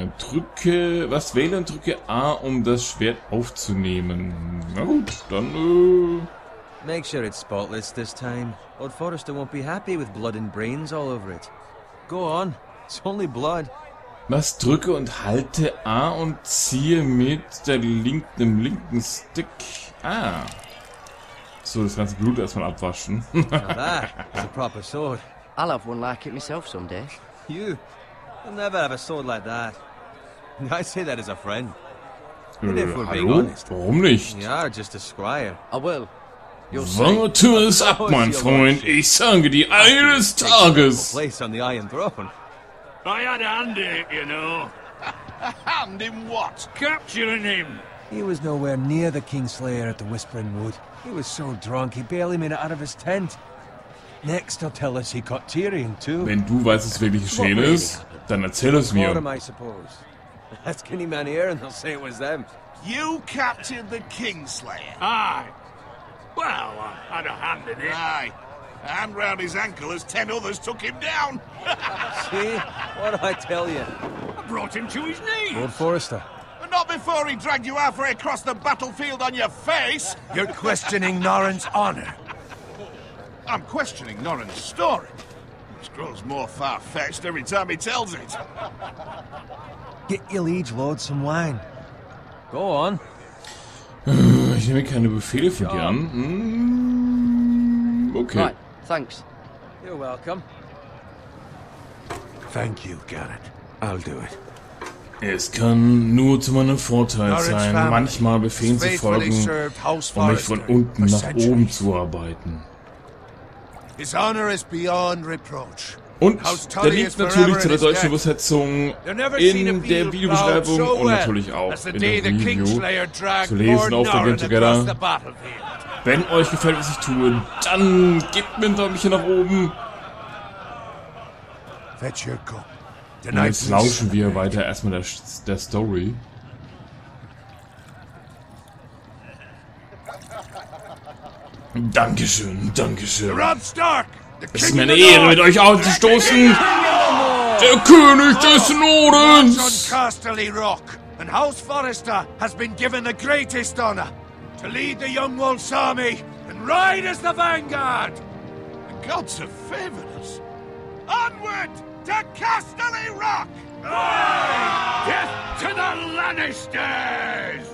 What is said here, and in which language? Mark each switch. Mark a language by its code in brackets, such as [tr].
[de] Drücke, was wählen? Drücke A, um das Schwert aufzunehmen. Na gut, dann [en] Make sure it's spotless this time. Old Forrester won't be happy with blood and brains all over it. Go on, it's only blood. [de] Was drücke und halte A und ziehe mit der linken, dem linken Stick. Ah. So, das ganze Blut erstmal abwaschen. [en] That's a proper sword. I'll have one like it myself someday. You? I'll never have a sword like that. I say that as a friend. And if we're being honest, [de] warum nicht? [en] You are just a squire. I will. [de] Warte es ab, mein Freund. Ich sage dir eines Tages. [en] Place on the Iron Throne. I had a hand in it, you know. Hand in what? Capturing him. He was nowhere near the Kingslayer at the Whispering Wood. He was so drunk, he barely made it out of his tent. Next, he'll tell us he caught Tyrion too. [de] Wenn du weißt, was wirklich geschehen ist, dann erzähl es mir. [en] Bottom, I suppose. Ask any man here, and they'll say it was them. You captured the Kingslayer. Aye. Well, I had a hand in it. Aye. And round his ankle as 10 others took him down. See? What did I tell you? I brought him to his knees. Lord Forrester. But not before he dragged you halfway across the battlefield on your face. You're questioning Norrin's honor. I'm questioning Norrin's story. Which grows more far-fetched every time he tells it. Get your liege lord some wine. Go on. [de] Ich nehme keine Befehle von dir an. [en] Okay. Right, thanks. You're welcome. Thank you, Garrett. I'll do it. [de] Es kann nur zu meinem Vorteil sein, manchmal Befehlen zu folgen, um mich von unten nach oben zu arbeiten. [en] His honor is beyond reproach. [de] Und der Link natürlich zu der deutschen Übersetzung in der Videobeschreibung und natürlich auch in dem Video zu lesen auf der Game Together. Wenn euch gefällt, was ich tue, dann gebt mir ein Däumchen nach oben. Und jetzt lauschen wir weiter erstmal der Story. Dankeschön, Dankeschön. [en] Rob Stark! [de] Es ist mir eine Ehre, mit euch auszustoßen. Der König des Nordens! [en] Watch on Casterly Rock. And House Forrester has been given the greatest honor to lead the Young Wolf's army and ride as the vanguard. The gods have favored us. Onward to Casterly Rock! Aye! Death to the Lannisters!